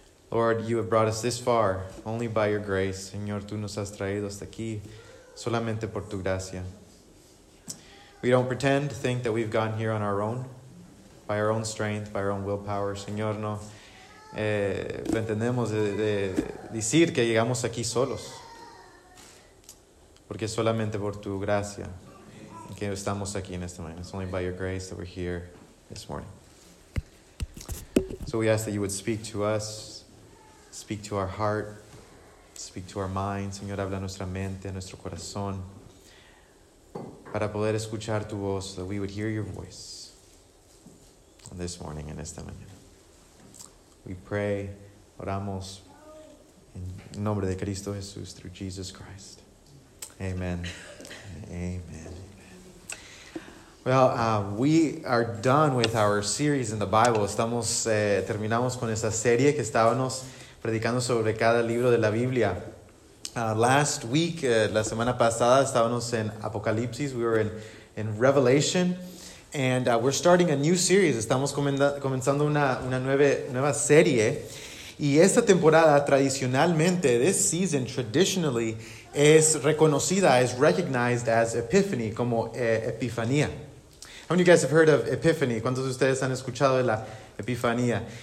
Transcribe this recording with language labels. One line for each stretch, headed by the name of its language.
English: Lord, you have brought us this far, only by your grace.
Spanish: Señor, tú nos has traído hasta aquí, solamente por tu gracia.
English: We don't pretend to think that we've gotten here on our own, by our own strength, by our own willpower.
Spanish: Señor, no pretendemos de decir que llegamos aquí solos, porque solamente por tu gracia que estamos aquí en este momento.
English: It's only by your grace that we're here this morning. So we ask that you would speak to us, speak to our heart, speak to our mind.
Spanish: Señor, habla nuestra mente, nuestro corazón, para poder escuchar tu voz,
English: so that we would hear your voice this morning and
Spanish: esta mañana.
English: We pray,
Spanish: oramos, en nombre de Cristo Jesús,
English: through Jesus Christ. Amen. Amen. Well, we are done with our series in the Bible.
Spanish: Terminamos con esa serie que estábamos predicando sobre cada libro de la Biblia. La semana pasada, estábamos en Apocalipsis.
English: We were in Revelation. And we're starting a new series.
Spanish: Estamos comenzando una nueva serie. Y esta temporada, tradicionalmente,
English: this season, traditionally, is recognized as Epiphany,
Spanish: como Epifanía.
English: How many of you guys have heard of Epiphany?
Spanish: ¿Cuántos de ustedes han escuchado de la Epifanía?